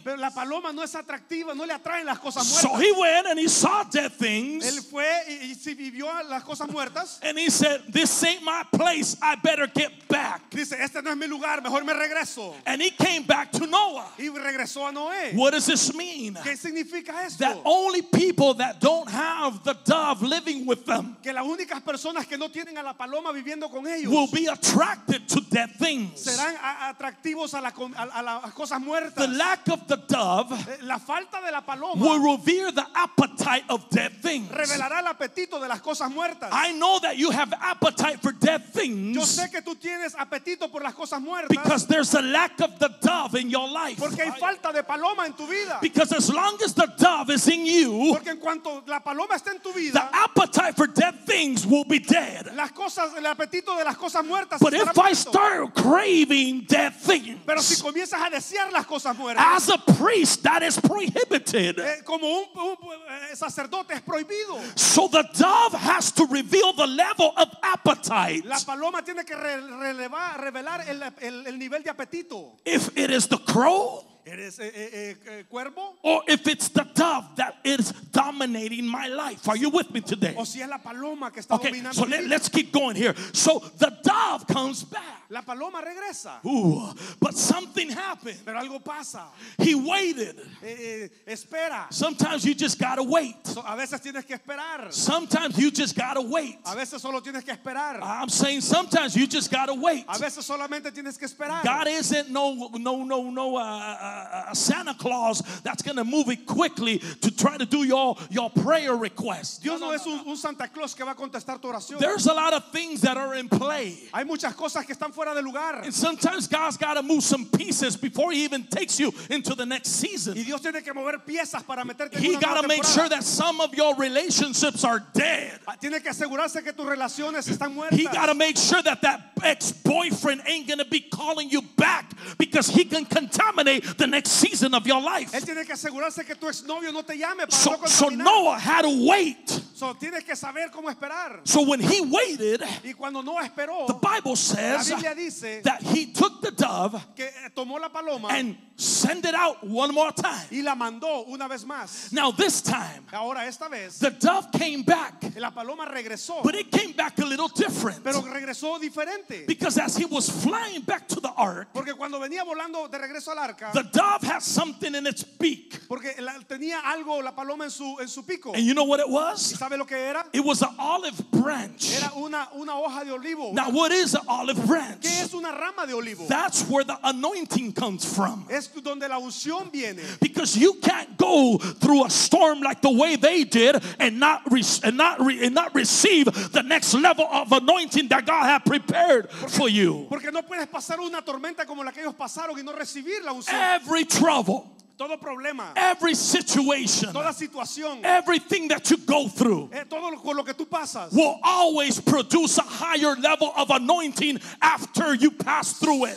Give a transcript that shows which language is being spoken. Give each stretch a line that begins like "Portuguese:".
Spanish: Pero la paloma no es atractiva, no le atraen las cosas muertas.
English: So he went and he saw dead things.
Spanish: Él fue y si vivió las cosas muertas.
English: And he said, "This ain't my place. I better get back."
Spanish: Dice, "Este no es mi lugar, mejor me regreso."
English: And he came back to Noah.
Spanish: Y regresó a Noé.
English: What does this mean?
Spanish: ¿Qué significa esto?
English: That only people that don't have the dove living with them,
Spanish: que las únicas personas que no tienen a la paloma viviendo con ellos,
English: will be attracted to dead things.
Spanish: Serán atractivos a las cosas muertas.
English: The lack of the dove,
Spanish: la falta de la paloma,
English: will reveal the appetite of dead things.
Spanish: Revelará el apetito de las cosas muertas.
English: I know that you have appetite for dead things.
Spanish: Yo sé que tú tienes apetito por las cosas muertas.
English: Because there's a lack of the dove in your life.
Spanish: Porque hay falta de paloma en tu vida.
English: Because as long as the dove is in you,
Spanish: porque en cuanto la paloma está en tu vida,
English: the appetite for dead things will be dead.
Spanish: Las cosas, el apetito de las cosas muertas.
English: But if I start craving dead things,
Spanish: pero si comienzas a desear las cosas muertas,
English: as a priest, that is prohibited.
Spanish: Como un sacerdote es prohibido.
English: So the dove has to reveal the level of appetite.
Spanish: La paloma tiene que revelar el nivel de apetito.
English: If it is the crow,
Spanish: ¿eres, cuervo?
English: Or if it's the dove that is dominating my life. Are you with me today?
Spanish: O si es la paloma que está okay, dominando.
English: So let's keep going here. So the dove comes back.
Spanish: La paloma regresa.
English: Ooh, but something happened.
Spanish: Pero algo pasa.
English: He waited.
Spanish: Espera.
English: Sometimes you just gotta wait.
Spanish: A veces tienes que esperar.
English: Sometimes you just gotta wait.
Spanish: A veces solo tienes que esperar.
English: I'm saying sometimes you just gotta wait.
Spanish: A veces solamente tienes que esperar.
English: God isn't no Santa Claus that's gonna move it quickly to try to do your prayer request.
Spanish: Dios no es un Santa Claus que va a contestar tu oración.
English: There's a lot of things that are in play.
Spanish: Hay muchas cosas que están fuera de lugar.
English: And sometimes God's got to move some pieces before he even takes you into the next season.
Spanish: Y Dios tiene que mover piezas para meterte en una nueva temporada.
English: He got to make sure that some of your relationships are dead.
Spanish: Tiene que asegurarse que tus relaciones están muertas.
English: He got to make sure that that ex-boyfriend ain't going to be calling you back because he can contaminate the next season of your life.
Spanish: Él tiene que asegurarse que tu exnovio no te llame para no contaminar.
English: So Noah had to wait.
Spanish: So tienes que saber cómo esperar.
English: So when he waited,
Spanish: y cuando Noah esperó,
English: the Bible says that he took the dove
Spanish: que tomó la paloma
English: and sent it out one more time.
Spanish: Y la mandó una vez más.
English: Now this time,
Spanish: ahora esta vez,
English: the dove came back.
Spanish: La paloma regresó.
English: But it came back a little different.
Spanish: Pero regresó diferente.
English: Because as he was flying back to the ark,
Spanish: porque cuando venía volando de regreso al arca,
English: the dove had something in its beak.
Spanish: Porque tenía algo la paloma en su pico.
English: And you know what it was?
Spanish: ¿Y sabe lo que era?
English: It was an olive branch.
Spanish: Era una hoja de olivo.
English: Now what is an olive branch?
Spanish: ¿Qué es una rama de olivo?
English: That's where the anointing comes from.
Spanish: Es donde la unción viene.
English: Because you can't go through a storm like the way they did and not receive the next level of anointing that God had prepared for you.
Spanish: Porque no puedes pasar una tormenta como la que ellos pasaron y no recibir la unción.
English: Every trouble,
Spanish: todo problema,
English: every situation,
Spanish: toda situación,
English: everything that you go through,
Spanish: todo lo que tú pasas,
English: will always produce a higher level of anointing after you pass through it.